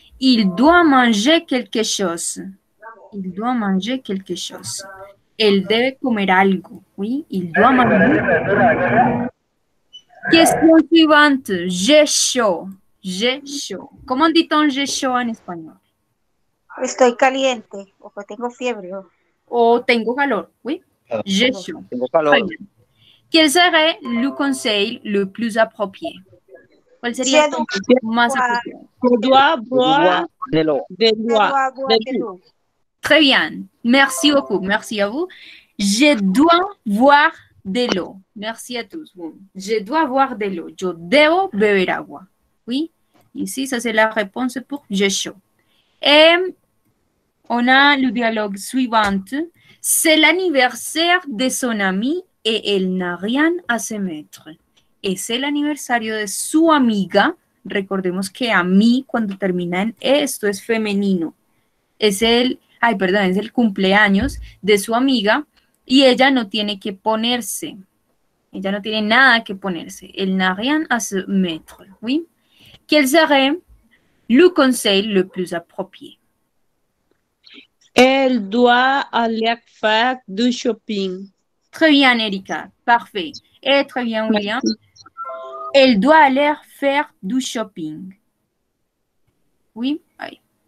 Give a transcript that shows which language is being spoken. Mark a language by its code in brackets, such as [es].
[fr] Il doit manger quelque chose. Il doit manger quelque chose. [es] Él debe comer algo. [fr] Oui, il doit manger. Question suivante. J'ai chaud. J'ai chaud. Comment dit-on j'ai chaud en espagnol? [es] Estoy caliente, o tengo fiebre. O tengo calor, oui. [fr] J'ai chaud. [es] Tengo calor. [fr] ¿Quel serait le conseil le plus approprié? [es] ¿Cuál sería el consejo más apropiado? [fr] Je dois boire de l'eau. Je dois boire de l'eau. Très bien. Merci beaucoup. Merci à vous. Je dois boire de l'eau. Merci à tous. Je dois boire de l'eau. [es] Yo debo beber agua. [fr] Oui. Ici, ça c'est la réponse pour j'ai chaud. On a le dialogue suivant. C'est l'anniversaire de son ami et elle n'a rien à se mettre. Et c'est [es] l'anniversario de su amiga. Recordemos que a mí, cuando termina en esto, es femenino. Es el cumpleaños de su amiga y ella no tiene que ponerse. Ella no tiene nada que ponerse. [fr] Elle n'a rien à se mettre. Oui. ¿Quel serait le conseil le plus approprié? Elle doit aller faire du shopping. Très bien, Erika. Parfait. Et très bien, William. Elle doit aller faire du shopping. Oui? Oui.